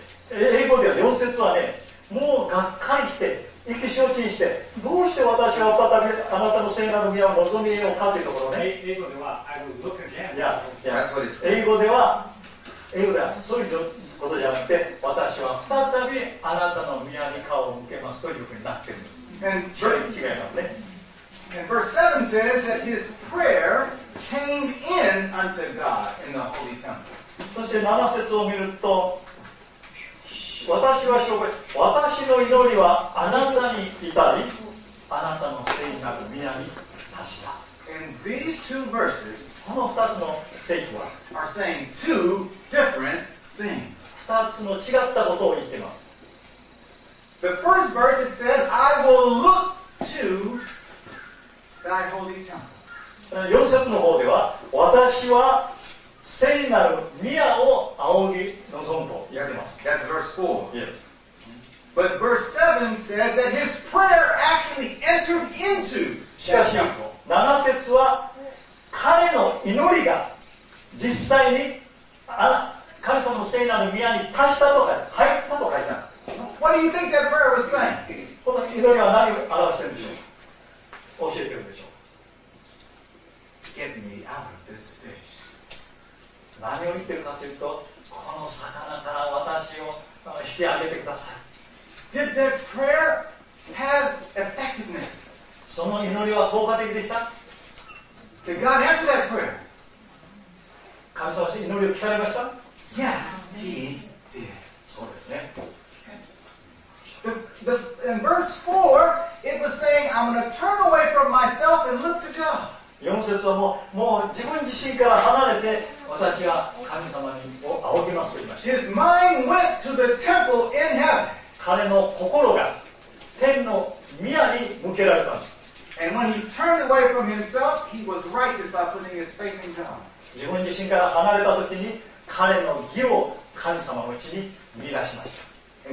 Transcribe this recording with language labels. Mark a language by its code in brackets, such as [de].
[ja] 英語では4節はね、もうがっかりして意気消沈してどうして私は再びあなたの聖なる宮を望みようかというところね。英語では [en] I will look again. Yeah. [ja] 英語ではそういうことじゃなくて私は再びあなたの宮に顔を向けますというふうになっているんです。違いますね。 [en] And verse 7 says that his prayer came in unto God in the holy temple. [ja] そして7節を見ると、私の祈りはあなたに至り、あなたの聖なる宮に達した。 [en] And these two verses [ja] この2つの聖句は [en] are saying two different things. [ja] 2つの違ったことを言っています。 [en] The first verse it says, I will look to thy holy temple. [ja] 4節の方では私は聖なる宮を仰ぎ望むと言われます。 [en] That's verse 4. Yes. But verse 7 says that his prayer actually entered into [ja] しかし7節は彼の祈りが実際に神様の聖なる宮に達したと書いて、入ったと書いてある。 [en] What do you think that prayer was saying? [ja] この祈りは何を表しているでしょう。教えているでしょう。 [en] Get me out of this fish. [ja] 何を言ってるかというと、この魚から私を引き上げてください。 [en] Did that prayer have effectiveness? [ja] その祈りは効果的でした。 [en] Did God answer that prayer? [ja] 神様は祈りを聞かれました。 [en] Yes, He did. [ja] そうですね。 [en] In verse 4, it was saying, I'm going to turn away from myself and look to God. [ja] 4節はもう自分自身から離れて私は神様を仰ぎますと言いました。 [en] His mind went to the temple in heaven. [ja] 彼の心が天の宮に向けられたんです。 [en] And when he turned away from himself, he was righteous by putting his faith in God. [ja] 自分自身から離れた時に彼の義を神様のうちに見出しました。